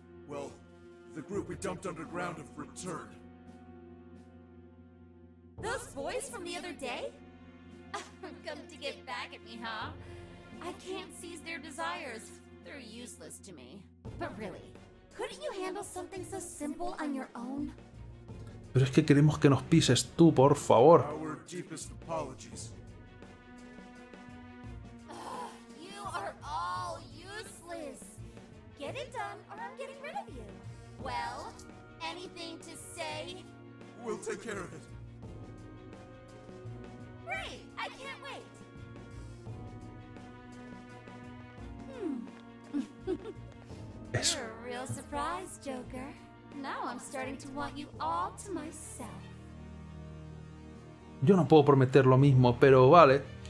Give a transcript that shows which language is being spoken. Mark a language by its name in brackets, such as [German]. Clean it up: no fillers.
[English] Well, the group we dumped underground have returned. Those boys from the other day? Come to get back at me, huh? I can't seize their desires. They're useless to me. But really, couldn't you handle something so simple on your own? [Spanish] Pero es que queremos que nos pises tú, por favor. [English] Our deepest apologies. You are all useless. Get it done or I'm getting rid of you. Well, anything to say? We'll take care of it. Great! I can't wait! Hmm. You're a real surprise, Joker. Now I'm starting to want you all to myself. [Spanish] Yo no puedo prometer lo mismo, pero vale.